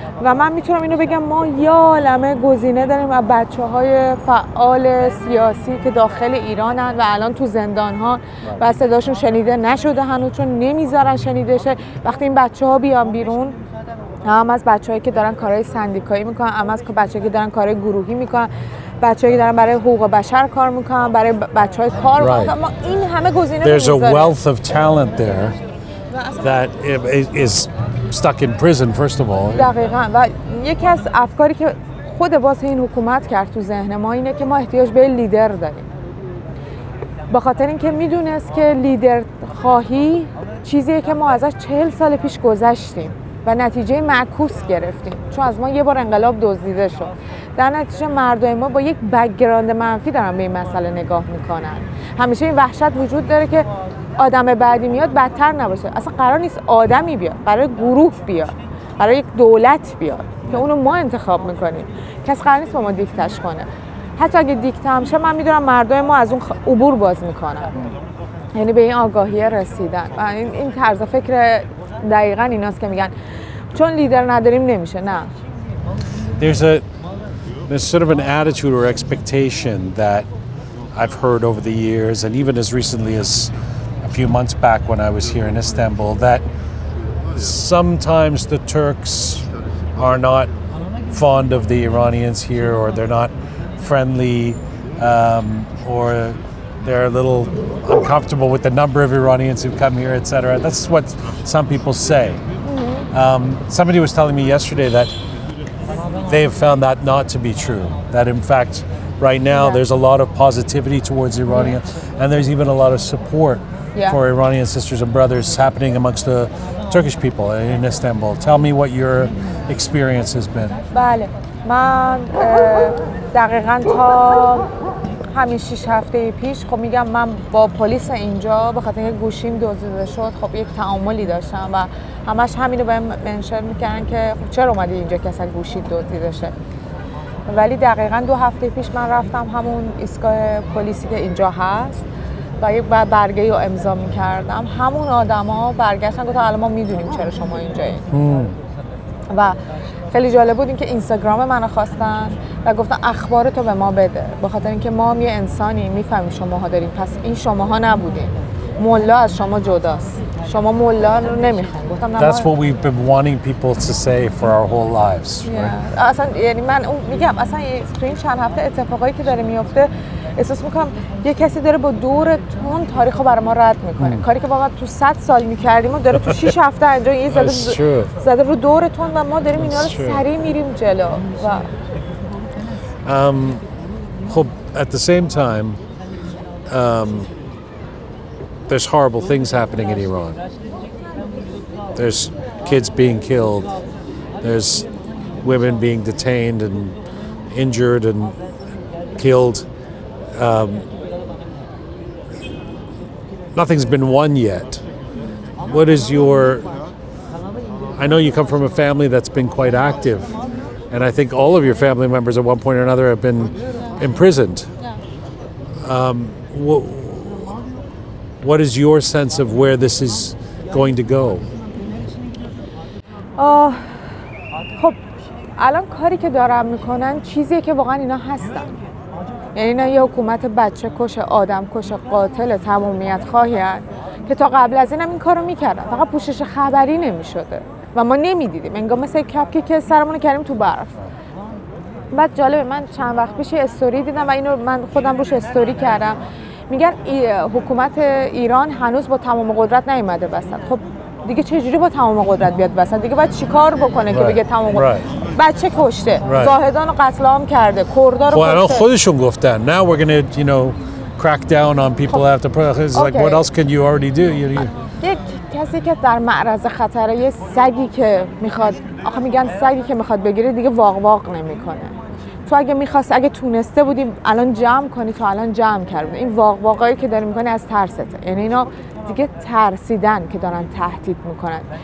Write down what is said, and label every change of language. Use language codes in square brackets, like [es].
[fa] و من میتونم اینو بگم ما یه عالمه گزینه داریم و بچه های فعال سیاسی که داخل ایران هن و الان تو زندان ها و صداشون شنیده نشده هنوز، چون نمیذارن شنیده شه. وقتی این بچه ها بیان بیرون، هم از بچه هایی که دارن کارهای سندیکایی میکنن، هم از بچه هایی که دارن کارهای گروهی میکنن، بچه هایی دارن برای حقوق بشر کار میکنن، برای بچه های کار [en] right. [fa] ما این همه گزینه [en] there's a wealth of talent there that is stuck in prison first of all. [fa] دقیقا. و یکی از افکاری که خود باز این حکومت کرد تو ذهن ما اینه که ما احتیاج به لیدر داریم. به خاطر اینکه میدونست که لیدر خواهی چیزیه که ما ازش 40 سال پیش گذشتیم و نتیجه معکوس گرفتیم، چون از ما یه بار انقلاب دزدیده شد. در نتیجه مردم ما با یک بک‌گراند منفی دارن به این مسئله نگاه میکنن. همیشه این وحشت وجود داره که آدم بعدی میاد بدتر نباشه. اصلا قرار نیست آدمی بیاد، برای گروه بیاد، برای یک دولت بیاد که اونو ما انتخاب میکنیم. کس قرار نیست با ما دیکتش کنه. حتی اگه دیکته هم شه، من میدونم مردم ما از اون عبور باز میکنن، یعنی به این آگاهی رسیدن. و این طرز فکر دقیقا ایناست که میگن چون لیدر نداریم نمیشه. نه، [en] there's sort of an attitude or expectation that I've heard over the years, and even as recently as a few months back when I was here in Istanbul, that sometimes the Turks are not fond of the Iranians here, or they're not friendly, or they're a little uncomfortable with the number of Iranians who come here, etc. That's what some people say. Somebody was telling me yesterday that they have found that not to be true, that in fact right now there's a lot of positivity towards Iranians, and there's even a lot of support for Iranian sisters and brothers happening amongst the Turkish people in Istanbul. Tell me what your experience has been. [fa] بله، من دقیقا تا همین 6 هفته پیش، خب میگم من با پلیس اینجا به خاطر اینکه گوشیم دزدیده شد، خب یک تعاملی داشتم و همش همینو بهم منشن میکردن که خب چرا اومدی اینجا که اصلا گوشی دزدیده شه. ولی دقیقا 2 هفته پیش من رفتم همون ایستگاه پلیسی که اینجا هست و یک برگه رو امضا میکردم، همون آدما برگشتن گفتن الان ما میدونیم چرا شما اینجایی. و خیلی جالب بود اینکه اینستاگرام منو خواستن و گفتن اخبارتو به ما بده، به خاطر اینکه ما هم یه انسانی میفهمیم شماها دارین، پس این شماها نبودین، مولا از شما جداست، شما مولا رو نمیخواید. گفتم [en] That's what we've been wanting people to say for our whole lives. Yeah. [fa] اصلا یعنی من میگم اصلا این چند هفته اتفاقایی که داره میفته احساس میکنم یه کسی داره با دور تون تاریخو برام رد میکنه. کاری که ما تو 100 سال میکردیم و داره تو 6 هفته انجام یه زده رو دور تون و ما داریم اینا رو سریع میریم جلو. و خب [en] at the same time there's horrible things happening in Iran. There's kids being killed. There's women being detained and injured and killed. Nothing's been won yet. What is your... I know you come from a family that's been quite active, and I think all of your family members at one point or another have been imprisoned. What is your sense of where this is going to go? [fa] خب الان کاری که دارم میکنن چیزیه که واقعا اینا هستن، یعنی اینا یه حکومت بچه کش، آدم کش، قاتل تمامیت خواهی هست که تا قبل از اینم این کارو میکردن، فقط پوشش خبری نمیشده و ما نمیدیدیم، انگار مثل کپکی که سرمونو کردیم تو برف. بعد جالبه، من چند وقت پیش یه استوری دیدم و اینو من خودم روش استوری کردم، میگن حکومت ایران هنوز با تمام قدرت نیومده وسط. خب دیگه چجوری با تمام قدرت بیاد وسط؟ دیگه باید چیکار بکنه که بگه تمام قدرت؟ بچه کشته، زاهدان رو قتل عام کرده، کردها رو کشته. خودشون گفتن [en] now we're going to crack down on people after protests. Like what else can you already do? [fa] کسی که در معرض خطره، یه سگی که میخواد، آخه میگن سگی که میخواد بگیره دیگه واق واق نمیکنه. تو اگه میخواست، اگه تونسته بودی الان جمع کنی، تو الان جمع کردی. این واق واقعی که داری میکنی از ترسته، یعنی اینا دیگه ترسیدن که دارن تهدید میکنن.